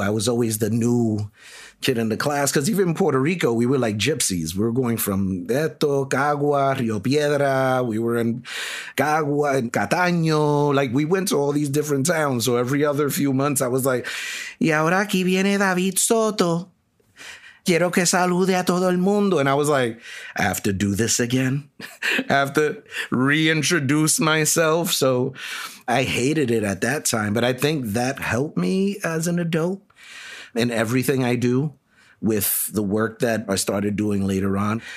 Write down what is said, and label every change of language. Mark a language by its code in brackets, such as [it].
[en] I was always the new kid in the class because even in Puerto Rico, we were like gypsies. We were going from Eto, Cagua, Rio Piedra. We were in Cagua, in Cataño. Like, we went to all these different towns. So every other few months, I was like, [es] y ahora aquí viene David Soto. Quiero que salude a todo el mundo. [en] And I was like, I have to do this again. I have to reintroduce myself. So I hated it at that time. But I think that helped me as an adult in everything I do with the work that I started doing later on.